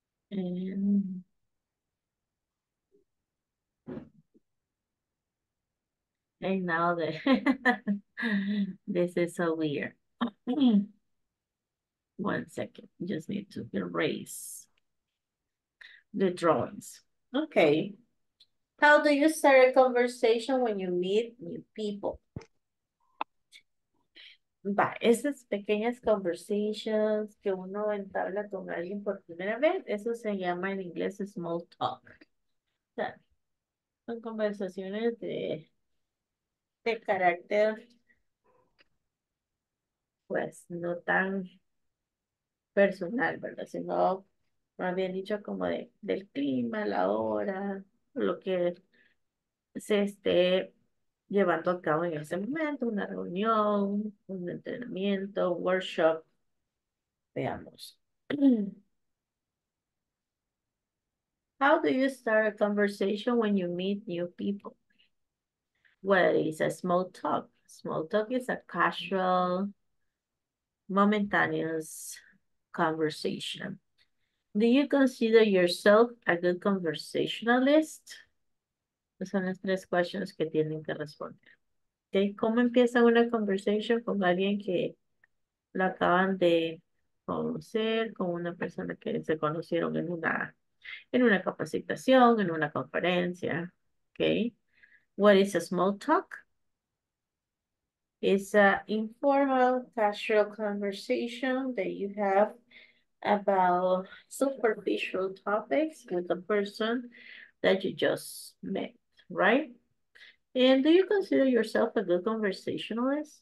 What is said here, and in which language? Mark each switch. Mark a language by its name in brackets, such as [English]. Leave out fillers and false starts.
[English] And hey, now the this is so weird. 1 second. Just need to erase the drawings. Okay. How do you start a conversation when you meet new people? [Spanish] Va, esas pequeñas conversations que uno entabla con alguien por primera vez, eso se llama en inglés small talk. O sea, son conversaciones de carácter, pues, no tan personal, ¿verdad? Sino, me habían dicho como del clima, la hora, lo que se esté llevando a cabo en ese momento, una reunión, un entrenamiento, workshop, veamos. [English] How do you start a conversation when you meet new people? Well, it's a small talk. Small talk is a casual, momentaneous conversation. Do you consider yourself a good conversationalist? [Spanish] Son las tres questions que tienen que responder. Okay, ¿cómo empieza una conversation con alguien que lo acaban de conocer, con una persona que se conocieron en una capacitación, en una conferencia? [English] Okay. What is a small talk? It's an informal, casual conversation that you have about superficial topics with the person that you just met. Right? And do you consider yourself a good conversationalist?